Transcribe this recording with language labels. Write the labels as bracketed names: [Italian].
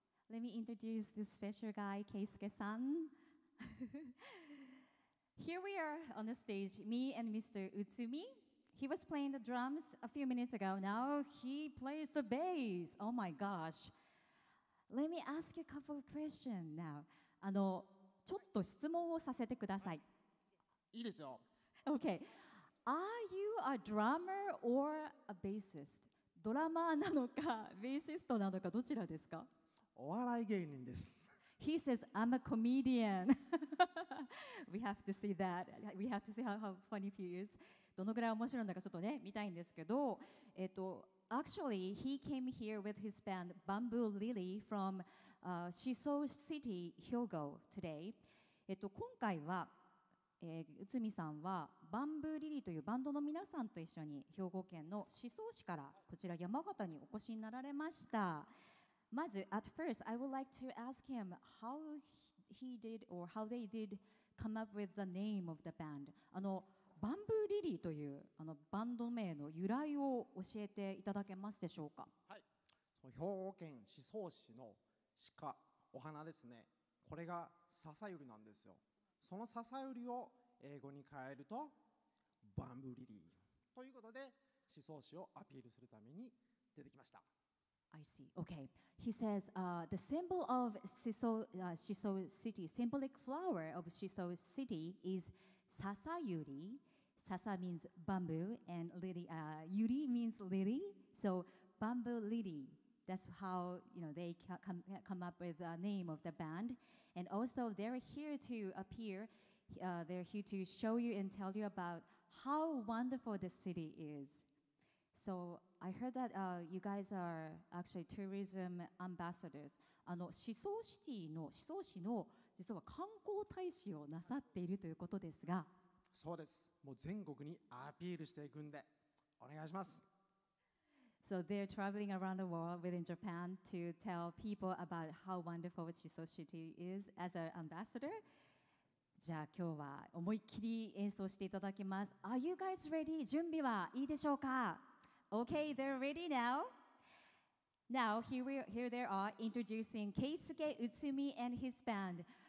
[English] Let me introduce this special guy, Keisuke-san. Here we are on the stage, me and Mr. Utsumi. He was playing the drums a few minutes ago. Now he plays the bass. Oh my gosh. Let me ask you a couple of questions now. [Japanese] ちょっと質問をさせてください。いいですよ。 [English] Okay. Are you a drummer or a bassist? [Japanese] ドラマーなのか、ベーシストなのか、どちらですか？お笑い芸人です。 [English] He says, I'm a comedian. We have to see that. We have to see how funny he is. [Japanese] どのぐらい面白いのかちょっとね、見たいんですけど、 [English] Actually, he came here with his band Bamboo Lily from Shiso City, Hyogo today. [Japanese] 今回は、宇都宮さんは Bamboo Lily というバンドの皆さんと一緒に兵庫県の宍粟市からこちら山形にお越しになられました。まず、 [English] at first, I would like to ask him how he did or how they did come up with the name of the band. [Japanese] バンブーリリーというあのバンド名の由来を教えていただけますでしょうか。はい、その兵庫県宍粟市の鹿、お花ですね。これが笹百合なんですよ。その笹百合を英語に変えるとバンブーリリーということで、宍粟市をアピールするために出てきました。 [English] I see. Okay. He says, the symbol of Shiso City, symbolic flower of Shiso City is Sasa Yuri. Sasa means bamboo and lily, Yuri means lily. So bamboo lily. That's how, you know, they come up with the name of the band. And also they're here to appear. They're here to show you and tell you about how wonderful the city is. So,I heard that you guys are actually tourism ambassadors. [Japanese] シソーシティのシソー市の実は観光大使をなさっているということですが、そうです。もう全国にアピールしていくんでお願いします。 [English] So they're traveling around the world within Japan to tell people about how wonderful シソーシティ is as an ambassador. [Japanese] じゃあ今日は思いっきり演奏していただきます。 [English] Are you guys ready? [Japanese] 準備はいいでしょうか？ [English] Okay, they're ready now. Now, here they are introducing Keisuke Utsumi and his band.